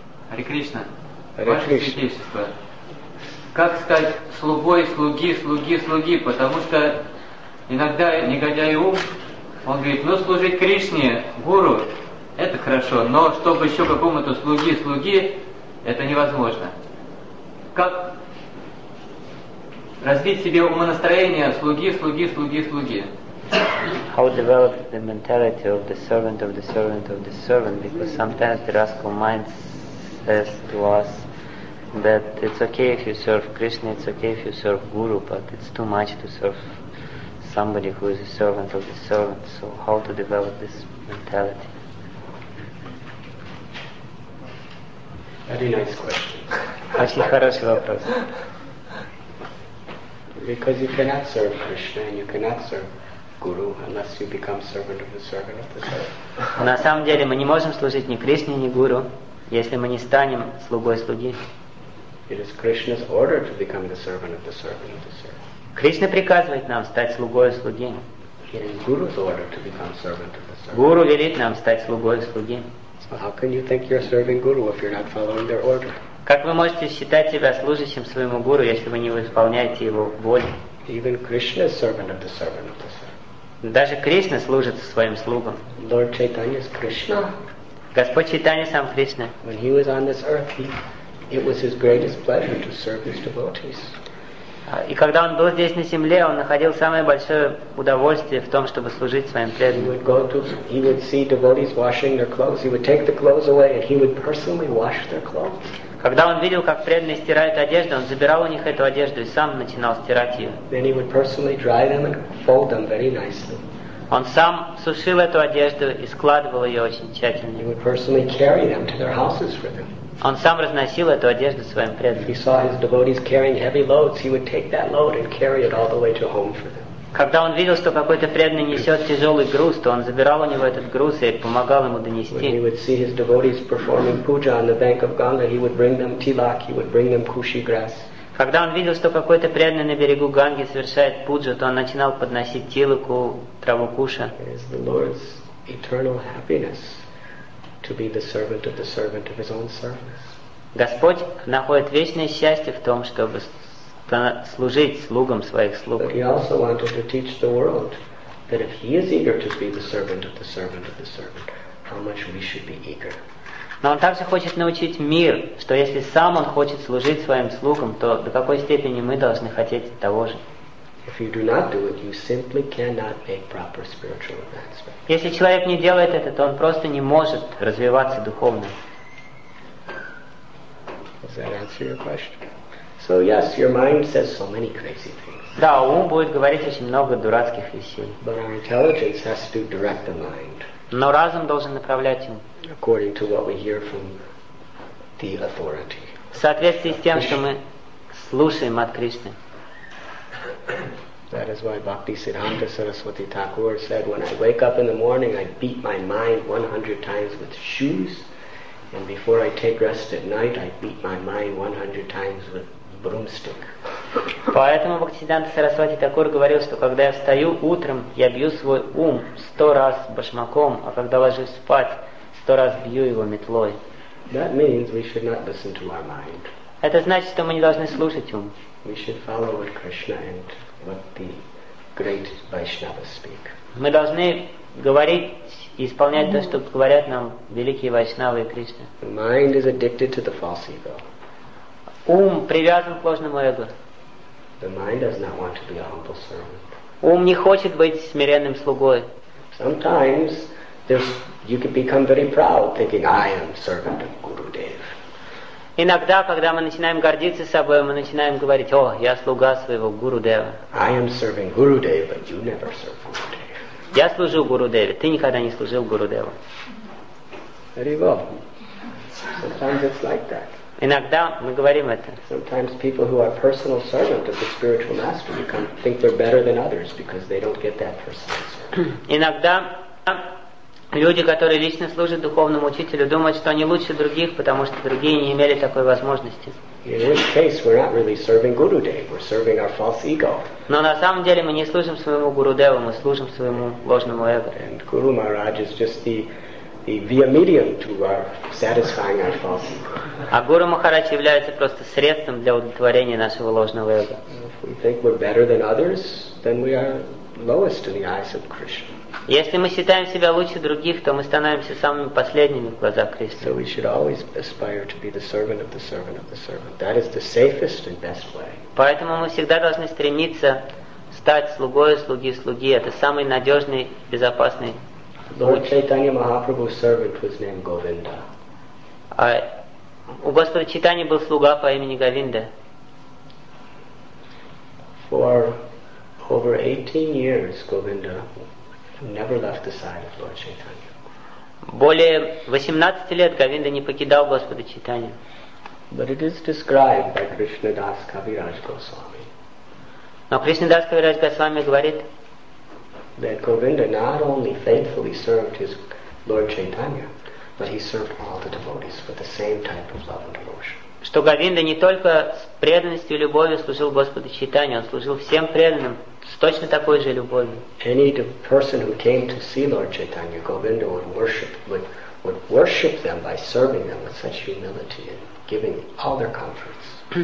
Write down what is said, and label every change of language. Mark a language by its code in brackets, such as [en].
[ru] Хари Кришна, Ваше Святейшество, как стать слугой слуги, слуги, слуги, потому что иногда негодяй ум, он говорит, ну служить Кришне, гуру, это хорошо, но чтобы еще какому-то слуги, слуги, это невозможно. Как развить себе умонастроение слуги, слуги, слуги, слуги? [en] How develop the mentality of the servant of the servant of the servant, because sometimes the rascal mind says to us that it's okay if you serve Krishna, it's okay if you serve Guru, but it's too much to serve somebody who is a servant of the servant. So how to develop this mentality? Very nice question. [ru] Очень хороший вопрос. [en] Because you cannot serve Krishna and you cannot serve Guru unless you become servant of the servant of the servant. [ru] На самом деле мы не можем служить ни Кришне, ни Гуру, если мы не станем слугой слуги. [en] It is Krishna's order to become the servant of the servant of the servant. [ru] Кришна приказывает нам стать слугой слуги. [en] It is Guru's order to become servant of the servant. [ru] Гуру велит нам стать слугой слуги. [en] So how can you think you're serving Guru if you're not following their order? [ru] Как вы можете считать себя служащим своему Гуру, если вы не исполняете его волю? [en] Even Krishna is servant of the servant of the servant. [ru] Даже Кришна служит своим слугам. [en] Lord Chaitanya is Krishna. [ru] Господь Чайтанья сам Кришна. [en] When he was on this earth, it was his greatest pleasure to serve his devotees. [ru] И когда он был здесь на земле, он находил самое большое удовольствие в том, чтобы служить своим преданным. [en] He would see devotees washing their clothes. He would take the clothes away and he would personally wash their clothes. [ru] Когда он видел, как преданные стирают одежду, он забирал у них эту одежду и сам начинал стирать ее. [en] Then he would personally dry them and fold them very nicely. [ru] Он сам сушил эту одежду и складывал ее очень тщательно. [en] He would personally carry them to their houses for them. [ru] Он сам разносил эту одежду своим преданным. [en] He saw his devotees carrying heavy loads. He would take that load and carry it all the way to home for them. [ru] Когда он видел, что какой-то преданный несет тяжелый груз, то он забирал у него этот груз и помогал ему донести. [en] When he would see his devotees performing puja on the bank of Ganga, he would bring them tilak, he would bring them kushi grass. [ru] Когда он видел, что какой-то преданный на берегу Ганги совершает пуджу, то он начинал подносить тилаку, траву куша. [en] It is the Lord's eternal happiness to be the servant of the servant of his own service. [ru] Господь находит вечное счастье в том, чтобы служить слугам своих слуг. [en] But he also wanted to teach the world that if he is eager to be the servant of the servant of the servant, how much we should be eager. [ru] Но он также хочет научить мир, что если сам он хочет служить своим слугам, то до какой степени мы должны хотеть того же. [en] If you do not do it, you simply cannot make proper spiritual advancement. [ru] Если человек не делает это, то он просто не может развиваться духовно. [en] Does that answer your question? So yes, your mind says so many crazy things. [ru] Да, ум будет говорить очень много дурацких вещей. [en] But our intelligence has to direct the mind. [ru] Но разум должен направлять ум. [en] According to what we hear from the authority. [ru] В соответствии с тем, что мы слушаем от Кришны. [en] That is why Bhakti Siddhanta Saraswati Thakur said, when I wake up in the morning, I beat my mind 100 times with shoes, and before I take rest at night, I beat my mind 100 times with broomstick. [ru] Поэтому Бхактисиддханта Сарасвати Такур говорил, что когда я встаю утром, я бью свой ум 100 раз башмаком, а когда ложусь спать, 100 раз бью его метлой. [en] That means we should not listen to our mind. [ru] Это значит, что мы не должны слушать ум. [en] We should follow what Krishna and what the great Vaishnavas speak. [ru] Мы должны говорить и исполнять то, что говорят нам великие Вайшнавы и Кришна. [en] The mind is addicted to the false ego. [ru] Ум привязан к ложному эго. [en] The mind does not want to be a humble servant. [ru] Ум не хочет быть смиренным слугой. [en] Sometimes you can become very proud, thinking I am servant of Guru Dev. [ru] Иногда, когда мы начинаем гордиться собой, мы начинаем говорить: "О, я слуга своего Гуру Дева". [en] I am serving Guru Dev, but you never serve Guru Dev. [ru] Я служу Гуру Деве, ты никогда не служил Гуру Деву. [en] There you go. Sometimes it's like that. [ru] Иногда мы говорим это. [en] Sometimes people who are personal servant of the spiritual master become think they're better than others because they don't get that personal service. [ru] Иногда люди, которые лично служат духовному учителю, думают, что они лучше других, потому что другие не имели такой возможности. [en] In this case, we're not really serving Gurudev, we're serving our false ego. [ru] Но на самом деле мы не служим своему Гурудеву, мы служим своему ложному эго. [en] And Guru Maharaj is just the via medium to our satisfying our false ego. [ru] А Гуру Махарадж является просто средством для удовлетворения нашего ложного эго. [en] If we think we're better than others, then we are lowest in the eyes of Krishna. [ru] Если мы считаем себя лучше других, то мы становимся самыми последними в глазах Кришны. [en] So we should always aspire to be the servant of the servant of the servant. That is the safest and best way. [ru] Поэтому мы всегда должны стремиться стать слугой слуги слуги. Это самый надежный, безопасный. [en] Lord Chaitanya Mahaprabhu's servant was named Govinda. [ru] А у Господа Чайтаньи был слуга по имени Говинда. [en] For over 18 years, Govinda never left the side of Lord Chaitanya. [ru] Более 18 лет Говинда не покидал Господа Чайтанью. [en] But it is described by Krishna Das Kaviraj Goswami. [ru] Но Кришна Дас Кавирадж Госвами говорит, [en] that Govinda not only faithfully served his Lord Chaitanya, but he served all the devotees with the same type of love and devotion. [ru] Что Говинда не только с преданностью и любовью служил Господу Чайтанье, он служил всем преданным с точно такой же любовью. [en] Any person who came to see Lord Chaitanya, Govinda would worship them by serving them with such humility and giving all their comforts.